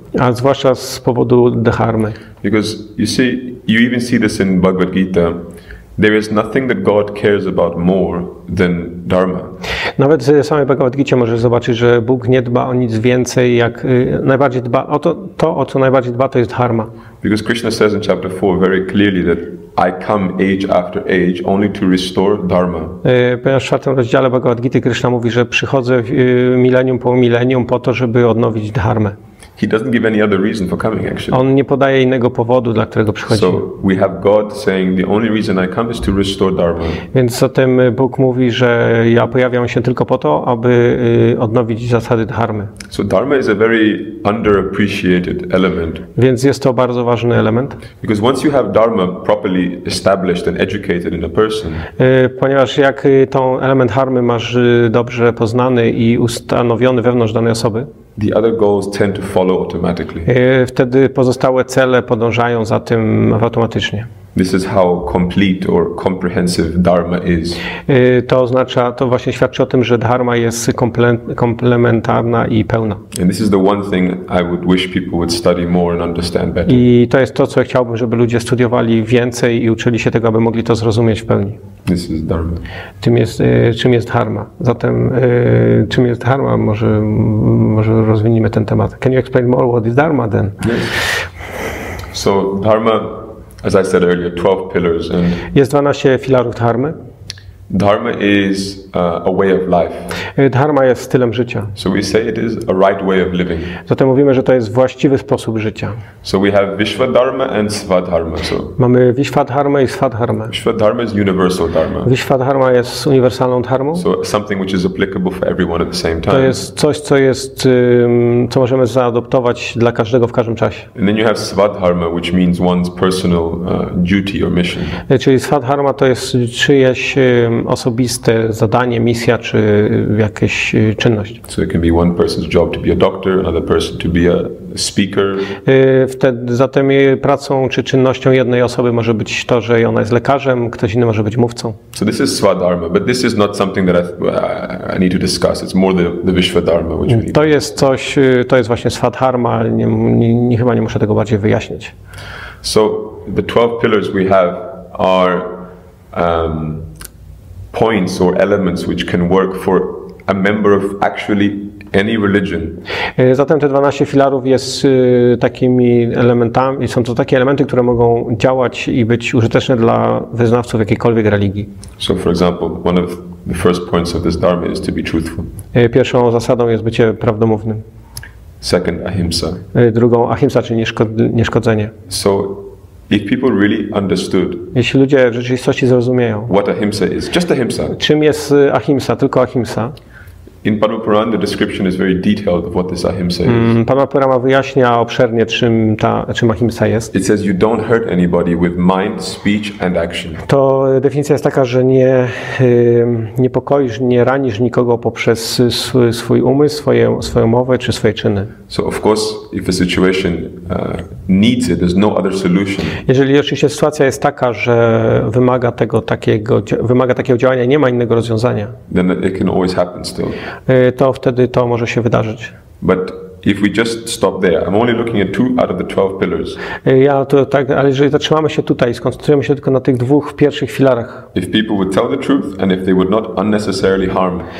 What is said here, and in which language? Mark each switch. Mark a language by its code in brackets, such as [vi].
[pl] A zwłaszcza z powodu dharmy. [en] Because you even see this in Bhagavad Gita. There is nothing that God cares about more than dharma. [pl] Nawet w samej Bhagavad Gita możesz zobaczyć, że Bóg nie dba o nic więcej, jak najbardziej dba o to, o co najbardziej dba, to jest dharma. [en] Because Krishna says in chapter 4 very clearly that I come age after age only to restore dharma. [pl] Ponieważ w czwartym rozdziale Bhagavad Gita Krishna mówi, że przychodzę milenium po milenium po to, żeby odnowić dharmę. [en] He doesn't give any other reason for coming, actually. [pl] On nie podaje innego powodu, dla którego przychodzi. [en] So we have God saying the only reason I come is to restore dharma. [pl] Więc zatem Bóg mówi, że ja pojawiam się tylko po to, aby odnowić zasady dharmy. [en] So dharma is a very underappreciated element. [pl] Więc jest to bardzo ważny element. [en] Because once you have dharma properly established and educated in a person. [pl] Ponieważ jak tą element dharmy masz dobrze poznany i ustanowiony wewnątrz danej osoby. [en] The other goals tend to follow automatically. [pl] Wtedy pozostałe cele podążają za tym automatycznie. [en] This is how complete or comprehensive dharma is. [pl] To oznacza, to właśnie świadczy o tym, że dharma jest komplementarna i pełna. [en] And this is the one thing I would wish people would study more and understand better. [pl] I to jest to, co ja chciałbym, żeby ludzie studiowali więcej i uczyli się tego, aby mogli to zrozumieć w pełni. [en] This is dharma. [pl] Tym jest, czym jest dharma. Zatem, czym jest dharma? Może rozwiniemy ten temat. [en] Can you explain more what is dharma then? Yes. So dharma, as I said earlier, 12 pillars and [pl] jest 12 filarów dharmy. [en] Dharma is a way of life. [pl] Dharma jest stylem życia. [en] So we say it is a right way of living. [pl] Zatem mówimy, że to jest właściwy sposób życia. [en] So we have Vishvadharma and Svadharma. So [pl] mamy Vishvadharma i Svadharma. [en] Vishvadharma is universal dharma. [pl] Vishvadharma jest uniwersalną dharmą. [en] So something which is applicable for everyone at the same time. [pl] To jest coś, co jest, co możemy zaadoptować dla każdego w każdym czasie. [en] And then you have Svadharma, which means one's personal duty or mission. [pl] Czyli Svadharma to jest czyjeś osobiste zadanie, misja czy jakieś czynność. [en] So it can be one person's job to be a doctor, another person to be a speaker. [pl] Wtedy zatem pracą czy czynnością jednej osoby może być to, że ona jest lekarzem, ktoś inny może być mówcą. [en] So this is Svadharma, but this is not something that I need to discuss. It's more the Vishvadharma, which we need. [pl] To jest coś, to jest właśnie Svadharma, nie chyba nie muszę tego bardziej wyjaśniać. [en] So the 12 pillars we have are points or elements which can work for a member of actually any religion. [pl] Zatem te 12 filarów jest takimi elementami, są to takie elementy, które mogą działać i być użyteczne dla wyznawców jakiejkolwiek religii. [en] So for example, one of the first points of this dharma is to be truthful. [pl] Pierwszą zasadą jest bycie prawdomównym. [en] Second, ahimsa. [pl] Drugą, ahimsa, czyli nieszkodzenie. [en] So if people really understood, [pl] jeśli ludzie w rzeczywistości zrozumieją, [en] what ahimsa is, just ahimsa, [pl] czym jest ahimsa, tylko ahimsa. [en] In Padma Purana, the description is very detailed of what this ahimsa is. [pl] Padma Purana wyjaśnia obszernie, czym ahimsa jest. [en] It says you don't hurt anybody with mind, speech and action. [pl] To definicja jest taka, że nie niepokoisz, nie ranisz nikogo poprzez swój umysł, swoją mowę czy swoje czyny. [en] So of course, if a situation needs it, there's no other solution. [pl] Jeżeli oczywiście sytuacja jest taka, że wymaga takiego działania, nie ma innego rozwiązania. [en] Then it can always happen still. [pl] To wtedy to może się wydarzyć. [en] But if we just stop there, I'm only looking at two out of the 12 pillars. [pl] Ja to tak, ale jeżeli zatrzymamy się tutaj, skoncentrujemy się tylko na tych dwóch pierwszych filarach. [en] If people would tell the truth and if they would not unnecessarily harm.